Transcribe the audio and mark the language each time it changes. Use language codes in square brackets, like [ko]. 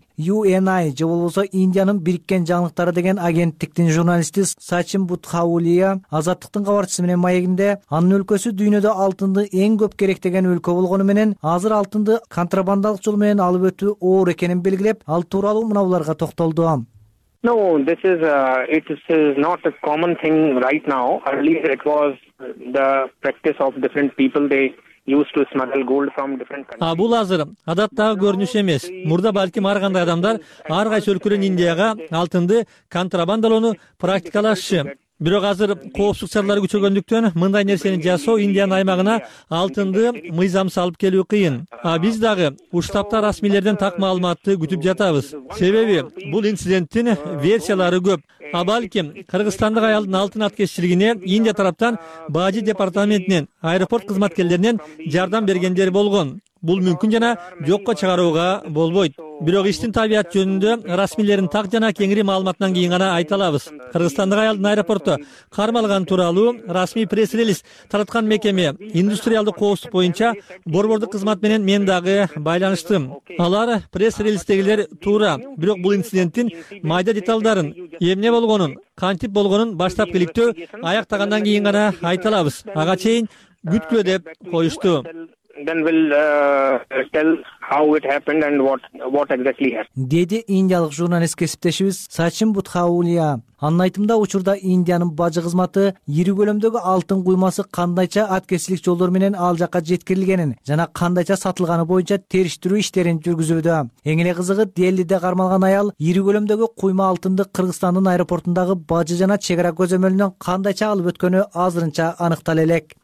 [ky] UNI же болбосо Индиянын бириккен жаңылыктары деген агенттиктин журналисти Сачин Бутхаулия Азаттыктын кабарчысы менен маегинде анын өлкөсү дүйнөдө алтынды эң көп керектеген өлкө болгону менен азыр алтынды контрабандалык жол менен алып өтүү оор экенин белгилеп, ал тууралуу мынауларга токтолду. [en] No, this is it is not a common thing right now. Earlier it was the practice of different people, they used to smuggle gold from different countries. [ky] А бул азыр адаттагы көрүнүш эмес. Мурда балким ар кандай адамдар ар кайсы өлкөдөн Индияга алтынды контрабандалоону практикалашчу. Бирок азыр коопсуздук чаралары күчөгөндүктөн мындай нерсени жасоо Индиянын аймагына алтынды мыйзамсыз алып келүү кыйын. А биз дагы уштапта расмийлерден так маалыматты күтүп жатабыз. Себеби бул инциденттин версиялары көп. А балким кыргызстандык аялдын алтын ат кесчилигине Индия тараптан бажы департаментинен, аэропорт кызматкерлеринен жардам бергендер болгон. Бул мүмкүн жана жокко чыгарууга болбойт. Бирок иштин табият жөнүндө расмилердин так жана кеңири маалыматынан кийин гана айта алабыз. Кыргызстандык аялдын аэропортто кармалганы тууралуу расмий пресс релиз тараткан мекеме индустриалдык коопсуздук боюнча борбордук кызмат менен мен дагы байланыштым. Алар пресс релиздегилер туура, бирок бул инциденттин майда деталдарын, эмне болгонун, кантип болгонун баштапкы иликтөө аяктагандан кийин гана айта алабыз. Ага чейин күткүлө деп коюшту. [en] Then we'll tell how it happened and what exactly happened. [ky] Деди индиялык журналист кесиптешибиз Сачин Бутхаулия. Анын айтымында учурда Индиянын бажы кызматы ири көлөмдөгү алтын куймасы кандайча аткесилик жолдор менен ал жакка жеткирилгенин жана кандайча сатылганы боюнча териштирүү иштерин жүргүзүүдө. Эң эле кызыгы Делиде кармалган аял ири көлөмдөгү куйма алтынды Кыргызстандын аэропортундагы бажы жана чек ара көзөмөлүнөн кандайча алып өткөнү азырынча аныктала элек.